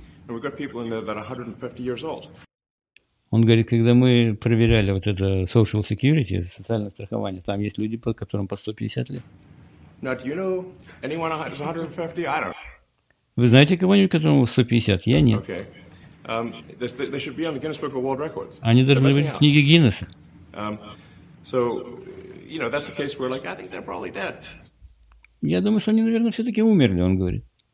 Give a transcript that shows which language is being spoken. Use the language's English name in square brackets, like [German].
[English] And we've got people in there that are 150 years old. [Russian] Он говорит, когда мы проверяли вот это Social Security, социальное страхование, там есть люди, по которым по 150 лет. [English] Now, do you know anyone who has 150? I don't. [Russian] Вы знаете кого-нибудь, которому 150? Я нет. [English] Okay. They should be on the Guinness Book of World Records. [Russian] Они должны быть в книге Гиннесса. [English] So, you know, that's a case where, like, I think they're probably dead. [Russian] Я думаю, что они, наверное, все-таки умерли, он говорит.